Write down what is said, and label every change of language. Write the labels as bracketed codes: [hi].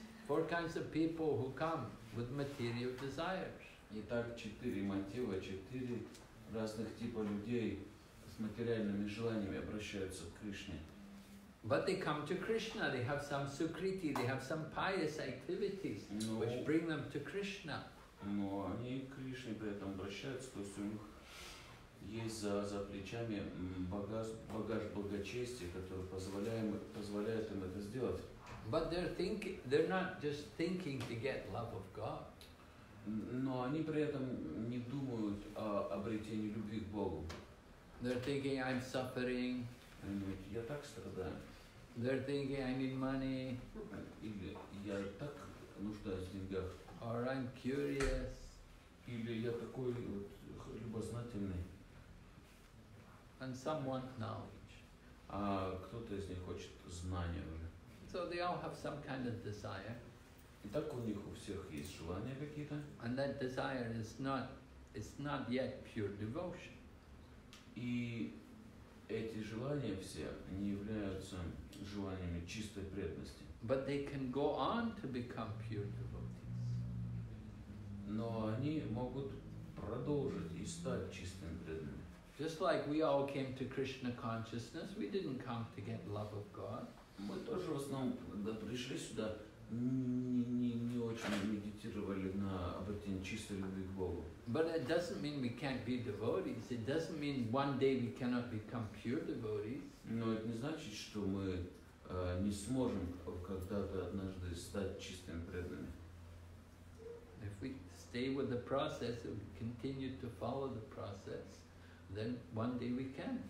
[en] Four kinds of people who come with material desires. [ru] Итак, четыре мотива, четыре разных типа людей с материальными желаниями обращаются к Кришне. [en] But they come to Krishna, they have some sukriti, they have some pious activities which bring them to Krishna. [ru] Но они к Кришне при этом обращаются, то есть у них есть за плечами багаж благочестия, который позволяет им это сделать. [en] But they're not just thinking to get love of God. [ru] Но они при этом не думают о обретении любви к Богу. [en] They're thinking, I'm suffering. [ru] Я так страдаю. [en] They're thinking, I need money. [ru] Я так нуждаюсь в деньгах. [en] Or I'm curious. [ru] Или я такой вот любознательный. [en] And some want knowledge. [ru] А кто-то из них хочет знания уже. [en] So they all have some kind of desire. [ru] И так у них у всех есть желания какие-то. [en] And that desire is not yet pure devotion. [ru] И эти желания все не являются желаниями чистой преданности. [en] But they can go on to become pure devotees. [ru] Но они могут продолжить и стать чистыми преданными. [en] Just like we all came to Krishna consciousness, we didn't come to get love of God. [ru] Мы тоже в основном, когда пришли сюда, не очень медитировали на обретение чистой любви к Богу. [en] But it doesn't mean we can't be devotees. It doesn't mean one day we cannot become pure devotees. [ru] Но это не значит, что мы не сможем когда-то однажды стать чистыми преданными. [en] If we stay with the process, if we continue to follow the process, then one day we can.